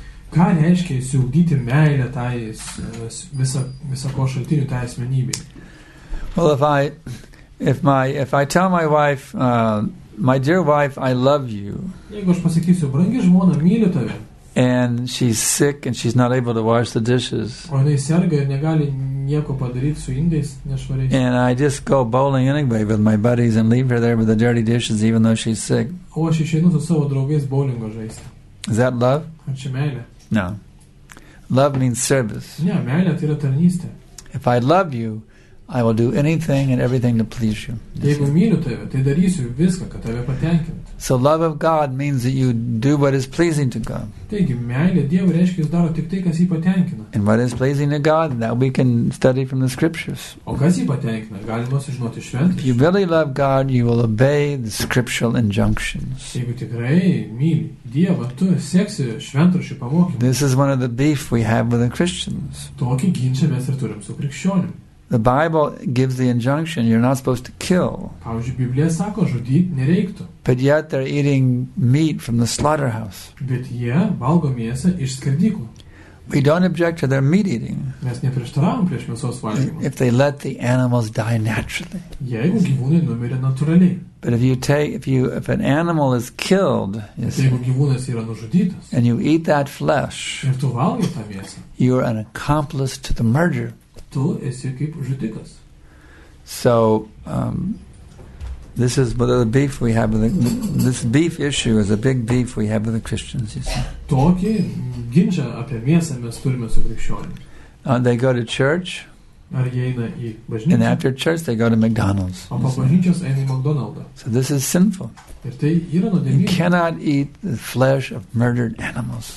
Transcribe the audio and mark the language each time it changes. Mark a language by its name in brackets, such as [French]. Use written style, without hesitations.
[Lithuanian] Ką reiškia įsiugyti meilę tais visą ko šaltinių tais asmenybei? [English] Well, if I tell my wife, my dear wife, I love you. [Lithuanian] Jeigu aš pasakysiu, brangi žmona, myliu tave. [English] And she's sick and she's not able to wash the dishes. [Lithuanian] O jinai serga ir negali nieko padaryti su indais nešvariais. [English] And I just go bowling anyway with my buddies and leave her there with the dirty dishes even though she's sick. [Lithuanian] O aš išeinu su savo draugais bowlingo žaisti. [English] Is that love? [Lithuanian] Ar čia meilė? [English] No. Love means service. [Lithuanian] Ne, meilė tai yra tarnystė. [English] If I love you, I will do anything and everything to please you. [Lithuanian] Jeigu myliu tave, tai darysiu viską, kad tave patenkint. [English] So love of God means that you do what is pleasing to God. [Lithuanian] Taigi, meilė Dievui reiškia, jis daro tik tai, kas jį patenkina. [English] And what is pleasing to God, that we can study from the scriptures. [Lithuanian] O kas jį patenkina, galima sužinoti iš šventraščių. [English] If you really love God, you will obey the scriptural injunctions. [Lithuanian] Jeigu tikrai myli Dievą, tu seksi šventraščių pamokymą. [English] This is one of the beef we have with the Christians. [Lithuanian] Tokį ginčią mes ir turim su krikščioniu. [English] The Bible gives the injunction, you're not supposed to kill. [Lithuanian] Pavyzdžiui, Biblija sako, žudyt nereiktų. [English] But yet they're eating meat from the slaughterhouse. [Lithuanian] Bet jie valgo mėsą iš skerdyklų. [English] We don't object to their meat eating. [Lithuanian] Mes neprieštaravom prieš mėsos valgymą. [English] If they let the animals die naturally. [Lithuanian] Jeigu gyvūnai numirė natūraliai. [English] But if an animal is killed, and you eat that flesh, [Lithuanian] ir tu valgi tą mėsą, [English] you are an accomplice to the murder. [Lithuanian] Tu esi kaip žudikas. [English] So, this is what the beef we have with this beef issue is a big beef we have with the Christians, you see. [Lithuanian] Tokį ginčią apie mėsą mes turime su krikščionimis. [English] They go to church. [Lithuanian] Ar jie eina į bažnyčią? [English] And after church they go to McDonald's. [Lithuanian] O po bažnyčios eina į McDonald'ą. [English] So this is sinful. [Lithuanian] Ir tai yra nuodėmė. [English] You cannot eat the flesh of murdered animals.